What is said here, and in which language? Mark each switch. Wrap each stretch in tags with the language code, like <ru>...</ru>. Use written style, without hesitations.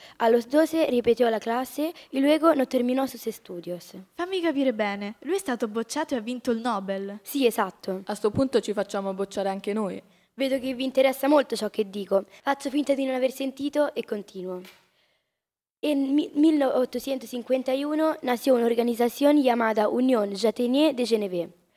<es>A los 12 repitió la clase y luego no terminó sus estudios.</es> <it>Fammi capire bene, lui è stato bocciato e ha vinto il Nobel. Sì, esatto. A sto punto ci facciamo bocciare anche noi. Vedo che vi interessa molto ciò che dico. Faccio finta di non aver sentito e continuo.</it> <es>En 1851 nació una organización llamada Unión Jatenier de Genève.</es>